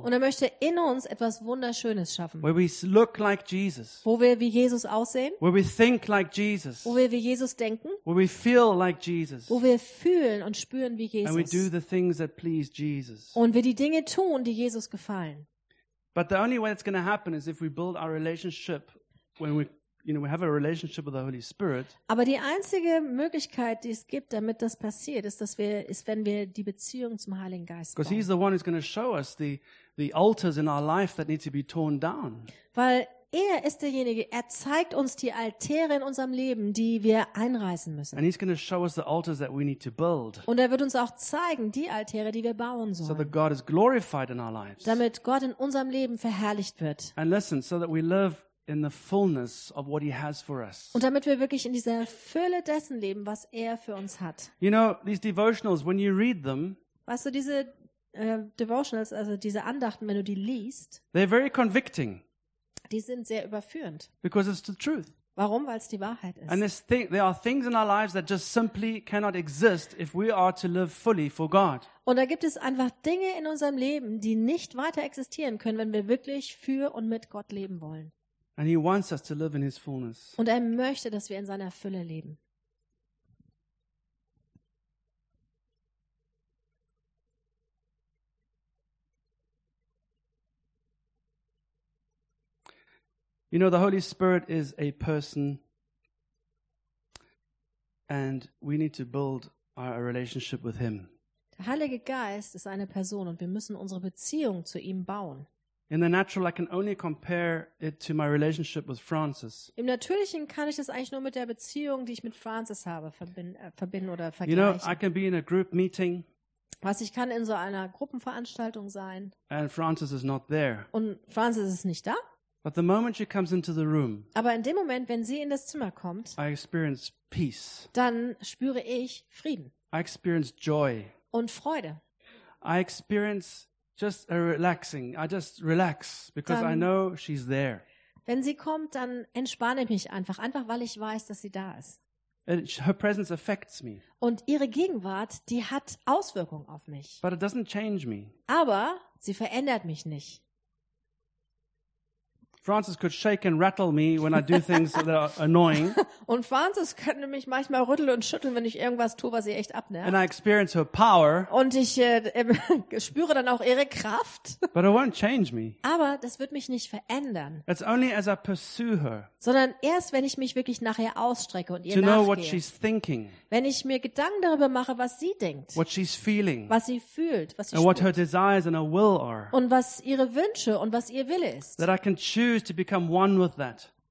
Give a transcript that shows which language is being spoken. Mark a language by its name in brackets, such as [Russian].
[German] Und er möchte in uns etwas Wunderschönes schaffen. [English] Where we look like Jesus. [German] Wo wir wie Jesus aussehen. [English] Where we think like Jesus. [German] Wo wir wie Jesus denken. [English] Where we feel like Jesus. [German] Wo wir fühlen und spüren. Wie Jesus. [English] And we do the things that please Jesus. [German] Und wir die Dinge tun, die Jesus gefallen. [English] But the only way it's going to happen is if we build our relationship when we you know, we have a relationship with the Holy Spirit. [German] Aber die einzige Möglichkeit, die es gibt, damit das passiert, ist, dass wir, ist, wenn wir die Beziehung zum Heiligen Geist bauen. [English] Because he's the one who's going to show us the altars in our life that need to be torn down. [German] Weil er ist derjenige, er zeigt uns die Altäre in unserem Leben, die wir einreißen müssen. [English] And he's going to show us the altars that we need to build. [German] Und er wird uns auch zeigen, die Altäre, die wir bauen sollen. [English] So that God is glorified in our lives. [German] Damit Gott in unserem Leben verherrlicht wird. [English] And listen, so that we live in the fullness of what he has for us. [German] Und damit wir wirklich in dieser Fülle dessen leben, was er für uns hat. [English] You know, these devotionals, when you read them, [German] weißt du, diese Devotionals, also diese Andachten, wenn du die liest, [English] they're very convicting. [German] Die sind sehr überführend. [English] Because it's the truth. [German] Warum? Weil es die Wahrheit ist. [English] And there are things in our lives that just simply cannot exist if we are to live fully for God. [German] Und da gibt es einfach Dinge in unserem Leben, die nicht weiter existieren können, wenn wir wirklich für und mit Gott leben wollen. [English] And he wants us to live in his fullness. [German] Und er möchte, dass wir in seiner Fülle leben. [English] You know, the Holy Spirit is a person, and we need to build our relationship with him. [German] Der Heilige Geist ist eine Person und wir müssen unsere Beziehung zu ihm bauen. [English] In the natural, I can only compare it to my relationship with Francis. [German] Im Natürlichen kann ich das eigentlich nur mit der Beziehung, die ich mit Francis habe, verbinden oder vergleichen. [English] You know, I can be in a group meeting. [German] Was ich kann in so einer Gruppenveranstaltung sein. [English] And Francis is not there. [German] Und Francis ist nicht da. [English] But the moment she comes into the room. [German] Aber in dem Moment, wenn sie in das Zimmer kommt, [English] I experience peace. [German] Dann spüre ich Frieden. [English] I experience joy. [German] Und Freude. [English] I experience just a relaxing. I just relax because [German] dann, [English] I know she's there. [German] Wenn sie kommt, dann entspanne ich mich einfach, weil ich weiß, dass sie da ist. [English] And her presence affects me. [German] Und ihre Gegenwart, die hat Auswirkungen auf mich. [English] But it doesn't change me. [German] Aber sie verändert mich nicht. [English] Francis could shake and rattle me when I do things that are annoying. [German] Und Francis könnte mich manchmal rütteln und schütteln, wenn ich irgendwas tue, was sie echt abnervt. [English] And I experience her power. [German] Und ich spüre dann auch ihre Kraft. [English] But it won't change me. [German] Aber das wird mich nicht verändern. [English] It's only as I pursue her. [German] Sondern erst, wenn ich mich wirklich nach ihr ausstrecke und ihr nachgehe. [English] To know what she's thinking. [German] Wenn ich mir Gedanken darüber mache, was sie denkt. [English] What she's feeling. [German] Was sie fühlt, was sie spürt. [English] And what her desires and her will are. [German] Und was ihre Wünsche und was ihr Wille ist. [English] That I can choose to become one with that.